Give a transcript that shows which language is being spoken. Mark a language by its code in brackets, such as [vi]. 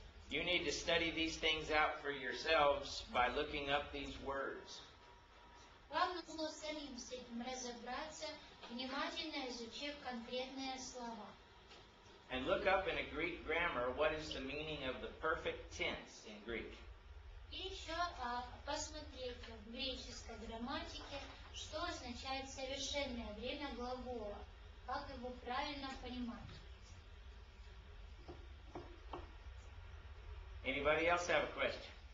[en] You need to study these things out for yourselves by looking up these words. [ru] Вам нужно самим с этим разобраться, внимательно изучив конкретные слова. [en] And look up in a Greek grammar what is the meaning of the perfect tense in Greek. [ru] И еще посмотрите в греческой грамматике, что означает совершенное время глагола, как его правильно понимать. [en] Anybody else have a question?